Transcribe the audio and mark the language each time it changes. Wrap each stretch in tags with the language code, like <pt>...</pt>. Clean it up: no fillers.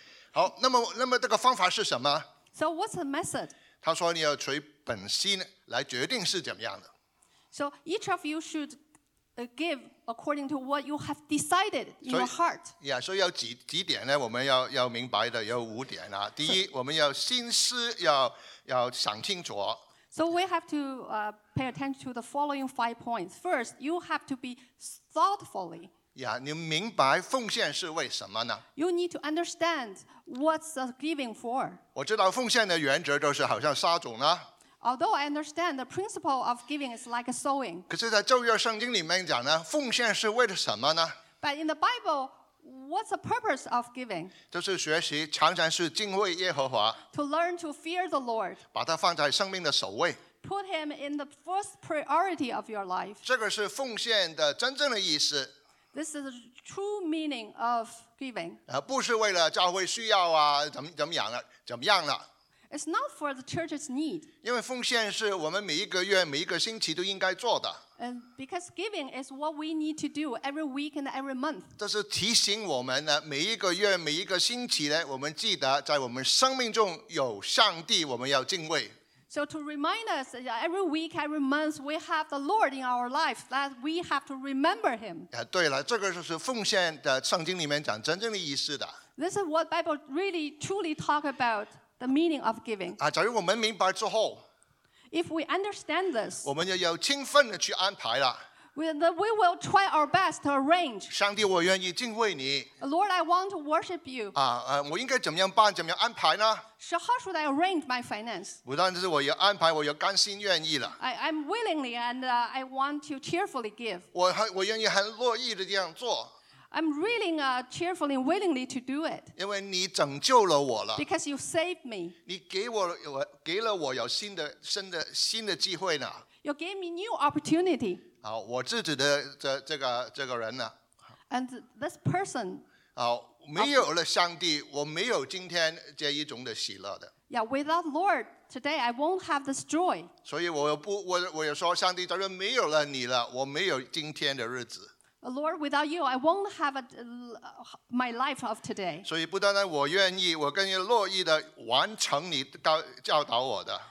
<zh>好那么这个方法是什么</zh> <en>So what's the method?</en> <zh>他说你要随本心来决定是怎么样的。</zh> <en>So each of you should give according to what you have decided in your heart.</en> <zh>Yeah, 所以有 几点呢我们 要明白的有五点、啊。第一我们要心思 要想清楚。</zh> <en>So we have to pay attention to the following five points. First, you have to be thoughtfully.</en> <zh>Yeah, 你明白奉献是为什么呢?</zh> <en>You need to understand what's the giving for.</en> <zh>我知道奉献的原则就是好像撒种呢。</zh> <en>Although I understand the principle of giving is like a sowing.</en> <zh>可是在旧约圣经里面讲呢,奉献是为了什么呢?</zh> <en>But in the Bible, what's the purpose of giving?</en> <zh>就是学习常常是敬畏耶和华。</zh> <en>To learn to fear the Lord.</en> <zh>把它放在生命的首位。</zh> <en>Put him in the first priority of your life.</en> <zh>这个是奉献的真正的意思。</zh> <en>This is the true meaning of giving.</en> <zh>不是为了教会需要啊，怎么样了。</zh> <en>It's not for the church's need.</en> <zh>因为奉献是我们每一个月，每一个星期都应该做的。</zh> <en>And because giving is what we need to do every week and every month.</en> <zh>这是提醒我们呢，每一个月，每一个星期呢，我们记得在我们生命中有上帝，我们要敬畏。</zh> <en>So to remind us, every week, every month, we have the Lord in our life, that we have to remember him.</en> <zh>对了，这个就是奉献的圣经里面讲真正的意思的。</zh> <en>This is what Bible really truly talk about, the meaning of giving.</en> <zh>假如我们明白之后</zh> <en>If we understand this,</en> <zh>我们要充分的去安排了。</zh> <en>We will try our best to arrange.</en> <zh>上帝，我愿意敬畏你。</zh> <en>Lord, I want to worship you.</en> <zh>我应该怎么样办，怎么样安排呢？</zh> <en>So how should I arrange my finance?</en> <zh>不但是我要安排，我要甘心愿意了。</zh> <en>I'm willingly and I want to cheerfully give.</en> <zh>我愿意很乐意的这样做。</zh> <en>I'm really cheerfully and willingly to do it.</en> <zh>因为你拯救了我了。</zh> <en>Because you saved me.</en> <zh>你给了我有新的机会呢。</zh> <en>You gave me new opportunity.</en> <zh>好，我自己的这个人呢。</zh> <en>And this person.</en> <zh>好。没有了上帝，我没有今天这一种的喜乐的。</zh> <en>Yeah, without Lord today, I won't have this joy.</en> <zh>所以我也说，上帝，假如没有了你了，我没有今天的日子。</zh> <en>Lord, without you, I won't have my life of today.</en> <zh>所以不单单我愿意，我更要乐意的完成你教导我的。</zh>